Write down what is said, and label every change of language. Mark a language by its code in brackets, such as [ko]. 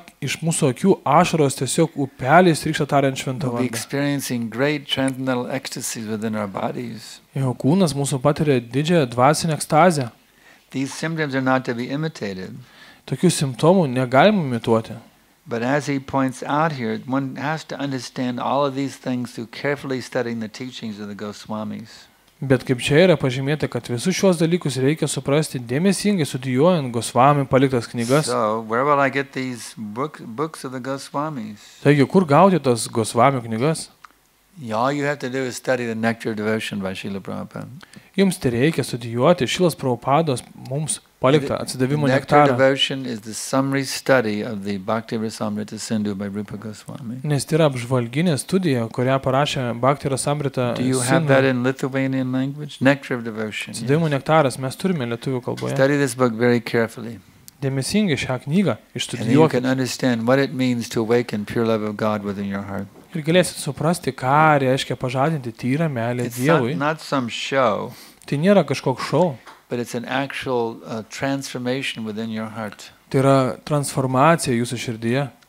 [lt] iš mūsų akių ašaros tiesiog upelis rykšta tariant šventą vardą. Jo kūnas mūsų patiria didžiąją dvasinę ekstazę. [en] These symptoms are not to be imitated. [lt] Tokių simptomų negalima imituoti. [en] But as he points out here, one has to understand all of these things through carefully studying the teachings of the Goswamis. [lt] Bet kaip čia yra pažymėta, kad visus šiuos dalykus reikia suprasti dėmesingai studijuojant Gosvami paliktas knygas. [en] So, where will I get these books of the Goswamis? [lt] Taigi, kur gauti tas Gosvami knygas? [en] All you have to do is study the Nectar of Devotion by Srila Prabhupada. [lt] Jums tai reikia studijuoti Šilas Prabhupados mums paliktą atsidavimo nektarą. [en] Nectar of Devotion is the summary study of the Bhakti Rasamrita Sindhu by Rupa Goswami. [lt] Nes tai yra apžvalginė studija, kurią parašė Bhakti Rasamrita Sindhu. [en] Do you have that in Lithuanian language? Nectar of Devotion. [lt] Atsidavimo nektaras mes turime lietuvių kalboje. [en] Study this book very carefully. [lt] Dėmesingai šią knygą išstudijuokite. [en] And you can understand what it means to awaken pure love of God within your heart. [lt] Ir galėsit suprasti, ką reiškia pažadinti tyrą meilę Dievui. Tai nėra kažkoks šou. Tai yra transformacija jūsų širdyje.